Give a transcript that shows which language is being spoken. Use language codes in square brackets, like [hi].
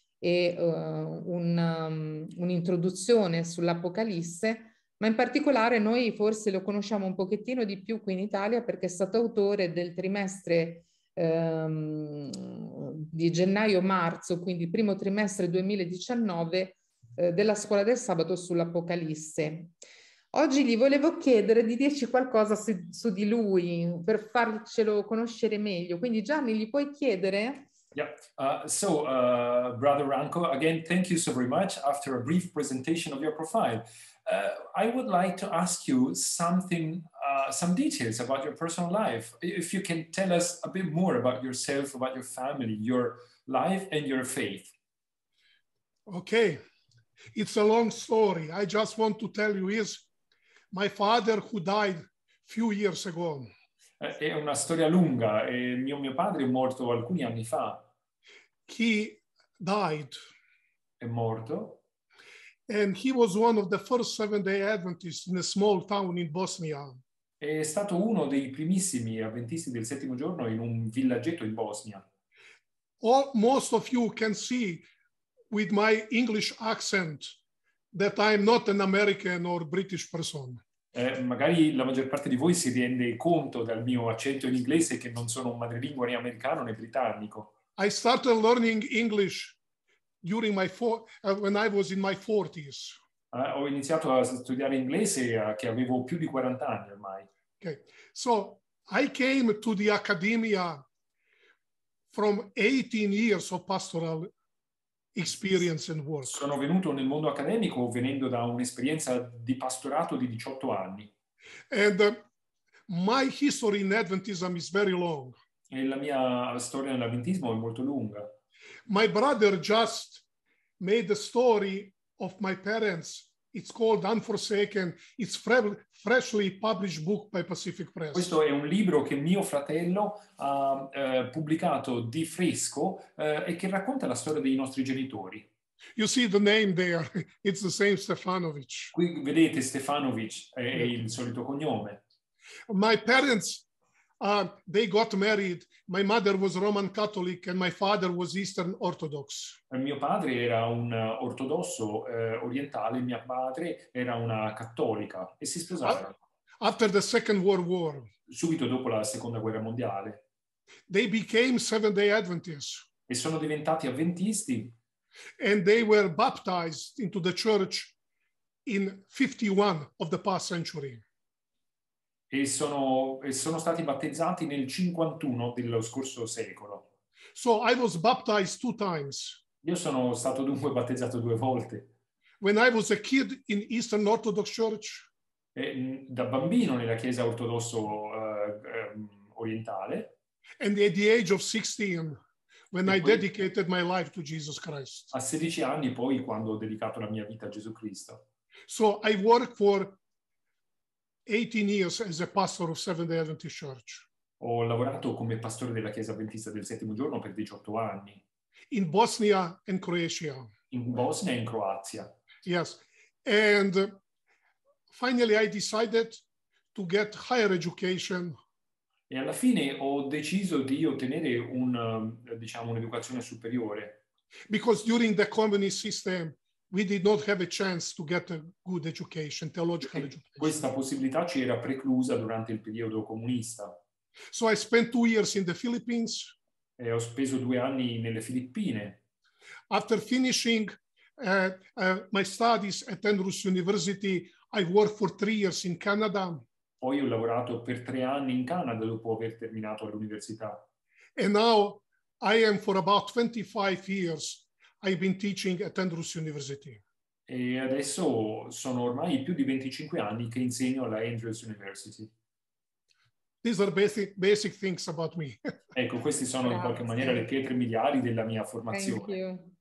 [it] e un'introduzione sull'Apocalisse, ma in particolare noi forse lo conosciamo un pochettino di più qui in Italia perché è stato autore del trimestre di gennaio-marzo, quindi primo trimestre 2019, della Scuola del Sabato sull'Apocalisse. Oggi gli volevo chiedere di dirci qualcosa su di lui per farcelo conoscere meglio. Quindi Gianni, gli puoi chiedere? [en] Brother Ranko, again, thank you so very much after a brief presentation of your profile. I would like to ask you something, some details about your personal life. If you can tell us a bit more about yourself, about your family, your life and your faith. Okay, it's a long story. I just want to tell you is my father who died few years ago. [it] È una storia lunga. Mio padre è morto alcuni anni fa. [en] He died. [it] È morto. [en] And he was one of the first Seventh-day Adventists in a small town in Bosnia. [it] È stato uno dei primissimi avventisti del settimo giorno in un villaggetto in Bosnia. [en] All, most of you can see with my English accent that I am not an American or British person. [it] Magari la maggior parte di voi si rende conto dal mio accento in inglese che non sono un madrelingua né americano né britannico. [en] I started learning English during my four, when I was in my 40s. [it] Ho iniziato a studiare inglese che avevo più di 40 anni ormai. [en] Okay. So I came to the academia from 18 years of pastoral experience and work. [it] Sono venuto nel mondo accademico venendo da un'esperienza di pastorato di 18 anni. [en] And my history in Adventism is very long. [it] E la mia storia nell'avventismo è molto lunga. [en] My brother just made the story of my parents. It's called Unforsaken. It's freshly published book by Pacific Press. [it] Questo è un libro che mio fratello ha pubblicato di fresco e che racconta la storia dei nostri genitori. [en] You see the name there. It's the same Stefanovic. [it] Qui vedete Stefanovic, è il solito cognome. [en] My parents, they got married. My mother was Roman Catholic and my father was Eastern Orthodox. [it] Mio padre era un ortodosso orientale, mia madre era una cattolica e si sposarono. [en] After the Second World War. [it] Subito dopo la Seconda Guerra Mondiale. [en] They became Seventh-day Adventists. [it] E sono diventati avventisti. [en] and they were baptized into the church in 51 of the past century. [it] E sono stati battezzati nel 51 dello scorso secolo. [en] So I was baptized two times. [it] Io sono stato dunque battezzato due volte. [en] When I was a kid in Eastern Orthodox Church. [it] E, da bambino nella chiesa ortodosso orientale. [en] And at the age of 16, when I dedicated my life to Jesus Christ. [it] A 16 anni poi, quando ho dedicato la mia vita a Gesù Cristo. [en] So I worked for 18 years as a pastor of Seventh-day Adventist Church. [it] Ho lavorato come pastore della chiesa avventista del settimo giorno per 18 anni. [en] In Bosnia and Croatia. [it] In Bosnia e in Croazia. [en] Yes. And finally I decided to get higher education. [it] E alla fine ho deciso di ottenere un'educazione superiore. [en] Because during the communist system we did not have a chance to get a good education, theological education. [it] Questa possibilità ci era preclusa durante il periodo comunista. [en] So I spent 2 years in the Philippines. [it] E ho speso 2 anni nelle Filippine. [en] After finishing my studies at Andrews University, I worked for 3 years in Canada. [it] Poi ho lavorato per 3 anni in Canada dopo aver terminato l'università. [en] And now I am for about 25 years I've been teaching at Andrews University. [it] E adesso sono ormai più di 25 anni che insegno alla Andrews University. [en] These are basic things about me. [it] Ecco, questi sono in qualche maniera le pietre miliari della mia formazione.